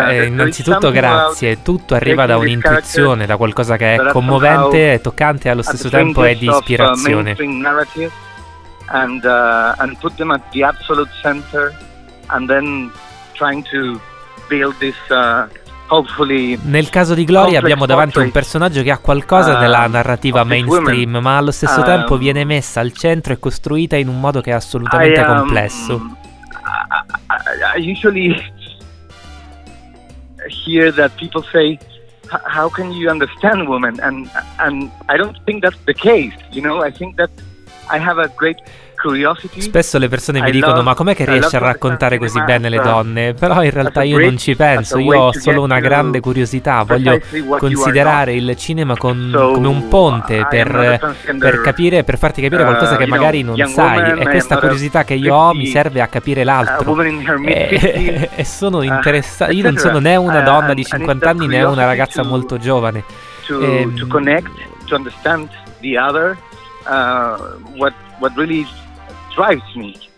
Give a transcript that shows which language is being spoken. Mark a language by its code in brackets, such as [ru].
[it] Innanzitutto grazie, tutto arriva da un'intuizione, da qualcosa che è commovente e toccante allo stesso tempo è di ispirazione. [en] And put them at the absolute center and then trying to build this [it] Nel caso di Gloria abbiamo davanti un personaggio che ha qualcosa nella narrativa mainstream, ma allo stesso tempo viene messa al centro e costruita in un modo che è assolutamente complesso. [en] I usually hear that people say, how can you understand women? And I don't think that's the case, you know? I think that I have a great curiosity. [it] Spesso le persone mi dicono, ma com'è che riesci a raccontare così bene le donne? Però in realtà io non ci penso, io ho solo una grande curiosità, voglio considerare il cinema come un ponte per farti capire qualcosa che magari non sai. E questa curiosità che io ho mi serve a capire l'altro. E sono interessato, io non sono né una donna di 50 anni né una ragazza molto giovane. [en] To connect, to understand the other, what really drives me.